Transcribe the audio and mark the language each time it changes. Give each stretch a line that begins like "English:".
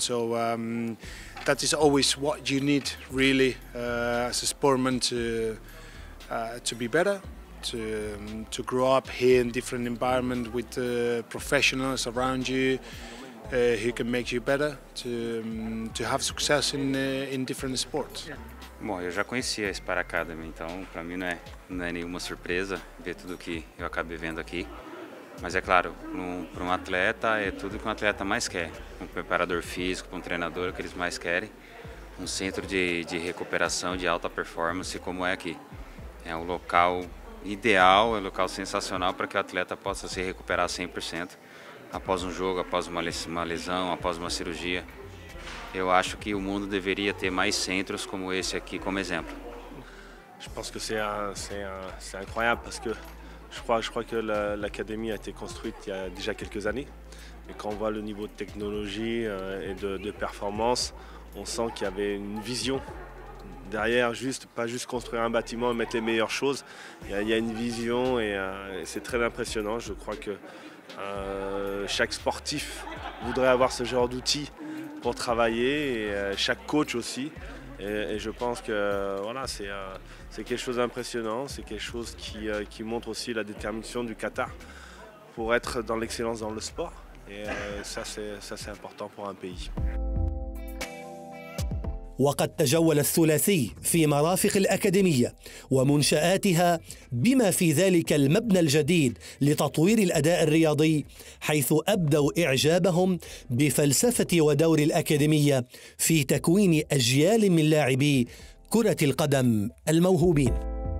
English: So that is always what you need really as a sportman to be better, to grow up here in different environment with the professionals around you who can make you better, to have success in different sports.
Portuguese: Bom, eu já conhecia a Spire Academy, então para mim não é nenhuma surpresa ver tudo que eu acabei vendo aqui. Mas é claro, para um atleta é tudo que um atleta mais quer, um preparador físico, para um treinador, o que eles mais querem, um centro de recuperação de alta performance como é aqui. É um local ideal, é um local sensacional para que o atleta possa se recuperar 100% após um jogo, após uma lesão, após uma cirurgia. Eu acho que o mundo deveria ter mais centros como esse aqui como exemplo.
French: Je pense que c'est incroyable parce que je crois que l'académie a été construite il y a déjà quelques années et quand on voit le niveau de technologie et de performance, on sent qu'il y avait une vision derrière, juste pas juste construire un bâtiment et mettre les meilleures choses. Il y a une vision et c'est très impressionnant. Je crois que chaque sportif voudrait avoir ce genre d'outils pour travailler et chaque coach aussi. Et je pense que voilà, c'est quelque chose d'impressionnant. C'est quelque chose qui montre aussi la détermination du Qatar pour être dans l'excellence dans le sport. Et ça c'est important pour un pays.
Arabic: وقد تجول الثلاثي في مرافق الأكاديمية ومنشآتها بما في ذلك المبنى الجديد لتطوير الأداء الرياضي، حيث أبدوا إعجابهم بفلسفة ودور الأكاديمية في تكوين أجيال من لاعبي كرة القدم الموهوبين.